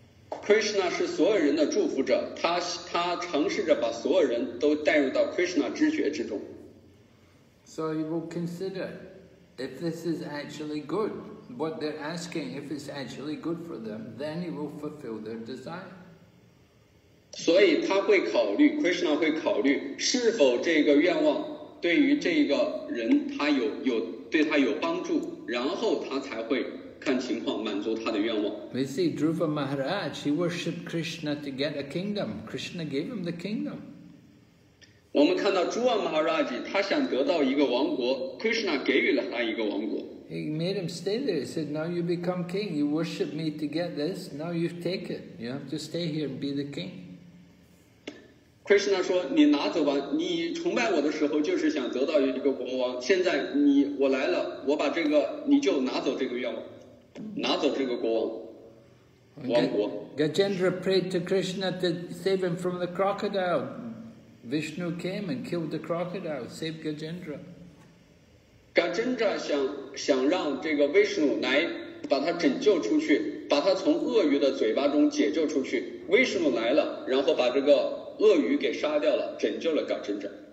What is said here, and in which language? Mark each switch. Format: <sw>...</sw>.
<zh>Krishna 是所有人的祝福者，他尝试着把所有人都带入到 Krishna 知觉之中。</zh> <en>So he will consider if this is actually good, what they're asking, if it's actually good for them, then he will fulfill their desire.</en> <zh>所以他会考虑 ，Krishna 会考虑是否这个愿望对于这个人他有对他有帮助，然后他才会看情况满足他的愿望。</zh> <en>We see Dhruva Maharaj, he worshipped Krishna to get a kingdom. Krishna gave him the kingdom.</en> <zh>我们看到 Dhruva Maharaj, 他想得到一个王国 ，Krishna 给予了他一个王国。</zh> <en>He made him stay there. He said, "Now you become king. You worship me to get this. Now you take it. You have to stay here and be the king."</en> <zh>Krishna 说你拿走吧，你崇拜我的时候就是想得到一个国王，现在我来了，我把这个你就拿走这个愿望，拿走这个国王王国。</zh> <en>Gajendra prayed to Krishna to save him from the crocodile. Vishnu came and killed the crocodile, saved Gajendra.</en> <zh>Gajendra 想让这个 Vishnu 来把他拯救出去，把他从鳄鱼的嘴巴中解救出去， Vishnu 来了，然后把这个鳄鱼给杀掉了，拯救了Gajendra。</zh>